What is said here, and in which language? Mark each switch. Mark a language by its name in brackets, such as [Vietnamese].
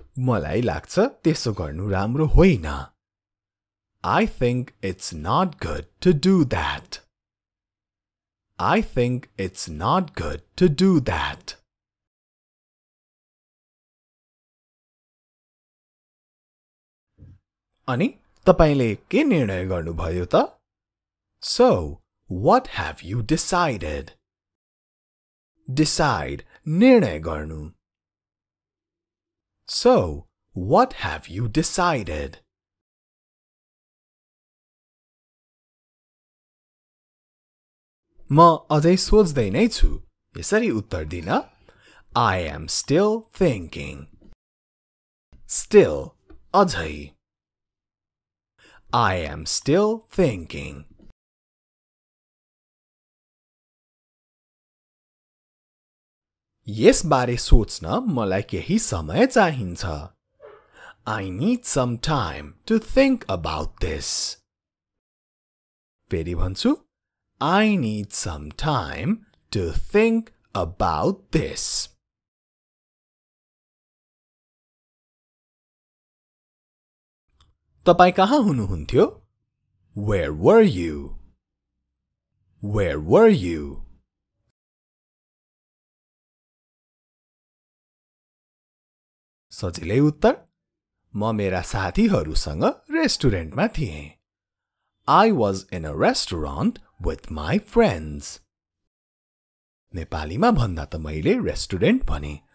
[Nepali] मलाई लाग्छ त्यसो गर्नु राम्रो होइन [English] I think it's not good to do that I think it's not good to do that [Nepali] अनि तपाईले के निर्णय गर्नुभयो त? [English] So, what have you decided? [Nepali] Decide, निर्णय गर्नु. [English] So, what have you decided? [Nepali] म अझै सोच्दै नै छु. यसरी उत्तर दिन. [English] I am still thinking. Still, अझै. I am still thinking. [Nepali] यस बारे सोच्न मलाई केही समय चाहिन्छ. [English] I need some time to think about this. [Nepali] फेरि भन्छु. [English] I need some time to think about this. [Nepali] तपाईं कहाँ हुनुहुन्थ्यो? [English] Where were you? Where were you? [Nepali] सजिलै उत्तर. म मेरा साथीहरूसँग रेस्टुरेन्टमा थिएँ. [English] I was in a restaurant with my friends. [Nepali] नेपालीमा भन्दा त मैले रेस्टुरेन्ट भने.